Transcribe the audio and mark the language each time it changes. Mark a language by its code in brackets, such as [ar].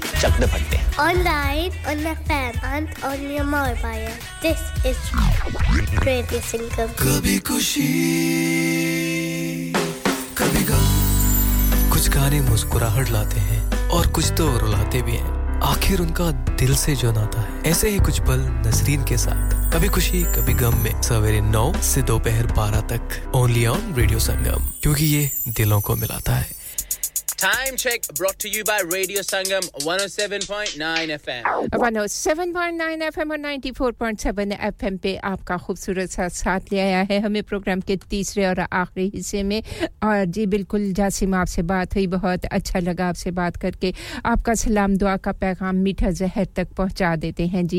[pa] ਚੱਕ ਦੇ ਫੱਟੇ [en] Online on FM and on your mobile. This is radio Sangam. [hi] ਕਭੀ ਖੁਸ਼ੀ ਕਭੀ ਗਮ, ਕੁਝ ਗਾਣੇ ਮੁਸਕਰਾਹਟ ਲਾਤੇ ਹੈ और कुछ तो रुलाते भी हैं। आखिर उनका दिल से जो नाता है, ऐसे ही कुछ पल नसरीन के साथ। कभी खुशी कभी गम में सवेरे 9 से दोपहर 12 तक, ओनली ऑन रेडियो संगम, क्योंकि ये दिलों को मिलाता है। [en] Time check brought to you by Radio Sangam 107.9 FM. [hi] 107.9 FM और 94.7 FM पे आपका खूबसूरत सा साथ ले आया है हमें प्रोग्राम के तीसरे और आखिरी हिस्से में। और जी बिल्कुल जासिम, आपसे बात हुई, बहुत अच्छा लगा आपसे बात करके। आपका सलाम दुआ का पैगाम मीठा जहर तक पहुंचा देते हैं जी।